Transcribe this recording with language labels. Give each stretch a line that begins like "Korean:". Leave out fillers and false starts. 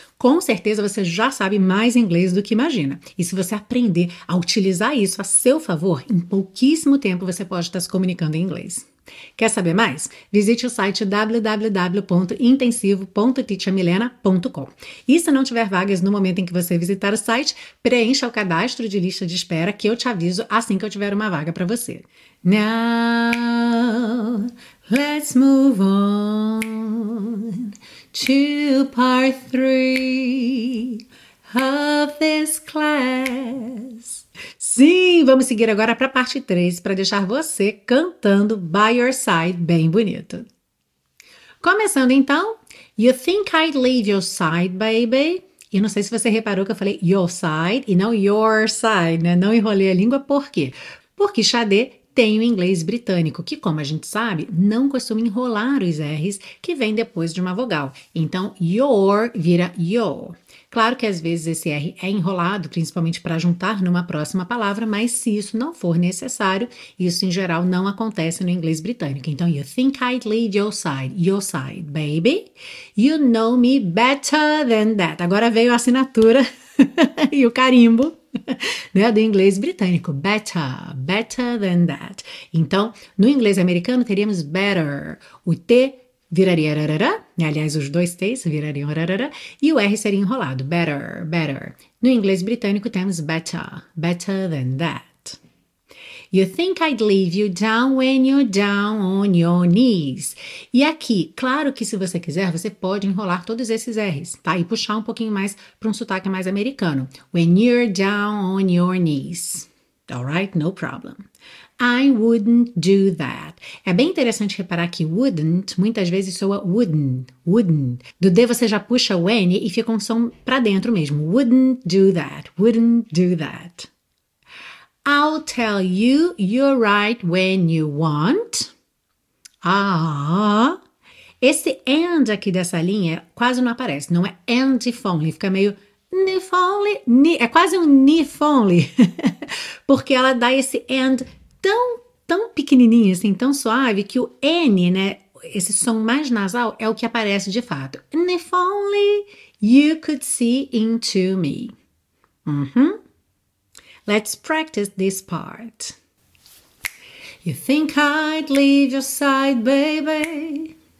Portuguese: Com certeza você já sabe mais inglês do que imagina. E se você aprender a utilizar isso a seu favor, em pouquíssimo tempo você pode estar se comunicando em inglês. Quer saber mais? Visite o site www.intensivo.teachamilena.com. E se não tiver vagas no momento em que você visitar o site, preencha o cadastro de lista de espera que eu te aviso assim que eu tiver uma vaga para você.
English: Now, let's move on to part 3 of this class.
Portuguese: Sim, vamos seguir agora para a parte 3, para deixar você cantando By Your Side bem bonito. Começando então,
English: You think I'd leave your side, baby?
Portuguese: E não sei se você reparou que eu falei your side e não your side, né? Não enrolei a língua, por quê? Porque Sade tem o inglês britânico, que como a gente sabe, não costuma enrolar os R's que vem depois de uma vogal. Então, your vira your. Claro que às vezes esse R é enrolado, principalmente para juntar numa próxima palavra, mas se isso não for necessário, isso em geral não acontece no inglês britânico.
English: Então, you think I'd leave your side, baby. You know me better than that.
Portuguese: Agora veio a assinatura e o carimbo, né, do inglês britânico.
English: Better, better than that.
Portuguese: Então, no inglês americano teríamos better, o T viraria rarara, né? Aliás, os dois T's virariam rarara, e o R seria enrolado, better, better. No inglês britânico temos better,
English: better than that. You think I'd leave you down when you're down on your knees.
Portuguese: E aqui, claro que se você quiser, você pode enrolar todos esses R's, tá? E puxar um pouquinho mais para um sotaque mais americano.
English: When you're down on your knees. Alright, no problem. I wouldn't do that.
Portuguese: É bem interessante reparar que wouldn't muitas vezes soa wouldn't. Do D você já puxa o N e fica um som pra dentro mesmo.
English: Wouldn't do that. Wouldn't do that. I'll tell you you're right when you want. Ah.
Portuguese: Esse and aqui dessa linha quase não aparece. Não é and if only. Fica meio if only. É quase um if only. Porque ela dá esse and tão pequenininho, assim, tão suave, que o N, né, esse som mais nasal, é o que aparece de fato.
English: And if only you could see into me. Uhum. Let's practice this part. You think I'd leave your side, baby?